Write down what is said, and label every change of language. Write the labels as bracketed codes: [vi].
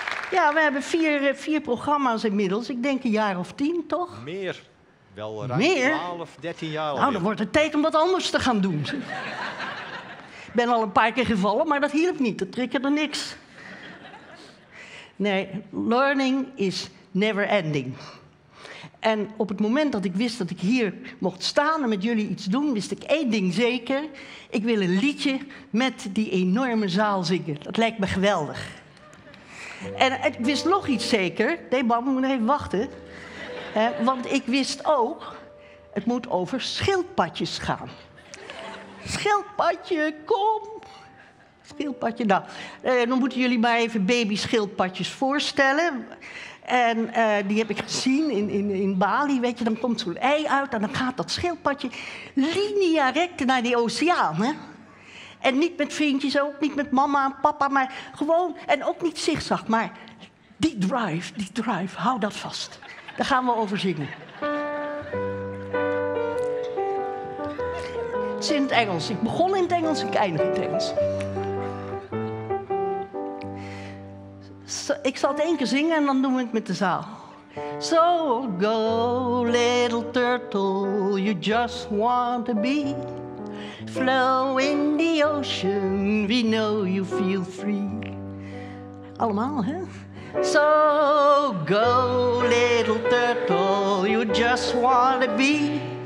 [nl] Ja, we hebben vier programma's inmiddels. Ik denk een jaar of 10, toch? Meer. Wel ruim 12, 13 jaar. Nou, dan wordt het tijd om wat anders te gaan doen. Ik ben al een paar keer gevallen, maar dat hielp niet. Dat triggerde niks. [en] Nee, learning is never ending. [nl] En op het moment dat ik wist dat ik hier mocht staan en met jullie iets doen, wist ik één ding zeker. Ik wil een liedje met die enorme zaal zingen. Dat lijkt me geweldig. En ik wist nog iets zeker. Nee, mam, moet even wachten. Want ik wist ook, het moet over schildpadjes gaan. Schildpadje, kom. Schildpadje, nou. Dan moeten jullie maar even baby schildpadjes voorstellen. En die heb ik gezien in Bali, weet je. Dan komt zo'n ei uit en dan gaat dat schildpadje linea recta naar die oceaan, hè. En niet met vriendjes, ook niet met mama en papa, maar gewoon. En ook niet zigzag, maar die drive, hou dat vast. Daar gaan we over zingen. Het is in het Engels. Ik begon in het Engels, ik eindig in het Engels. Ik zal het één keer zingen en dan doen we het met de zaal. [en] So go, little turtle, you just want to be. Flow in the ocean, we know you feel free. [nl] Allemaal, hè? [en] So go, little turtle, you just wanna be.